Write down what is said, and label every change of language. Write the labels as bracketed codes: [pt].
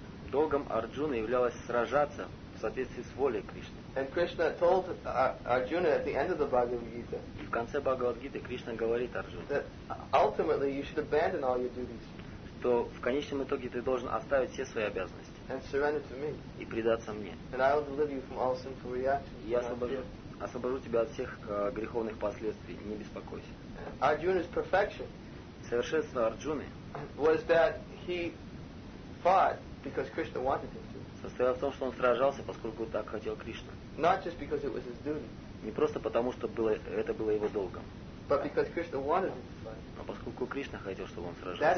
[ru] Долгом Арджуны являлось сражаться в соответствии с волей Кришны. [en] And Krishna told Arjuna at the end of the Bhagavad Gita. [ru] И в конце Бхагавад Гиты Кришна говорит Арджуне. [en] That ultimately you should abandon all your duties. [ru] Что в конечном итоге ты должен оставить все свои обязанности. [en] and surrender to me. [ru] И предаться мне. [en] And I will deliver you from all sinful reactions. [ru] Я освобожу тебя от всех греховных последствий. Не беспокойся. [en] Arjuna's perfection. [ru] Совершенство Арджуны. [en] Was that he fought because Krishna wanted him to. [ru] Состояло в том, что он сражался, поскольку так хотел Кришна. [en] Not just because it was his duty. [ru] Не просто потому, что это было его долгом. [en] But because Krishna wanted him to fight. [ru] Но поскольку Кришна хотел, чтобы он сражался.